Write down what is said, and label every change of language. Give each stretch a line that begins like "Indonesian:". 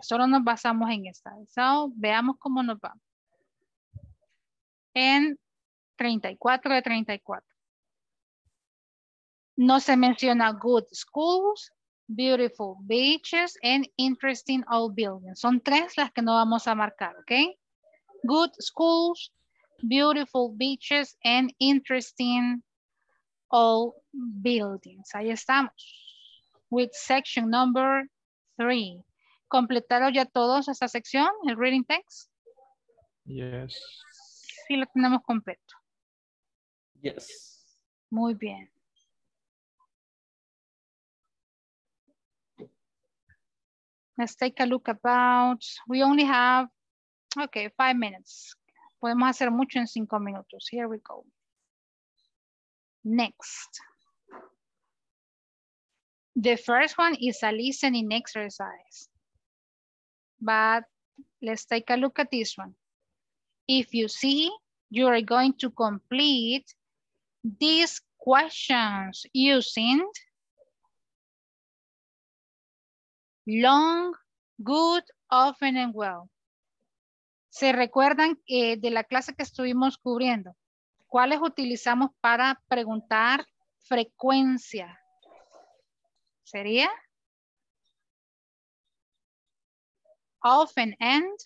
Spanish: Solo nos basamos en esta. So, veamos cómo nos va. En 34 de 34. No se menciona
English: good schools, beautiful beaches, and interesting old buildings.
Spanish: Son tres las que no vamos a marcar, ¿ok?
English: Good schools, beautiful beaches, and interesting old buildings.
Spanish: Ahí estamos.
English: With section number 3.
Spanish: ¿Completaron ya todos esta sección, el reading text?
English: Yes.
Spanish: Sí, lo tenemos completo.
English: Yes.
Spanish: Muy bien.
English: Let's take a look about, we only have, okay, 5 minutes.
Spanish: Podemos hacer mucho en 5 minutos.
English: Here we go. Next. The first one is a listening exercise. But let's take a look at this one. If you see, you are going to complete these questions using long, good, often, and well.
Spanish: ¿Se recuerdan de la clase que estuvimos cubriendo? ¿Cuáles utilizamos para preguntar frecuencia? ¿Sería?
English: Often and.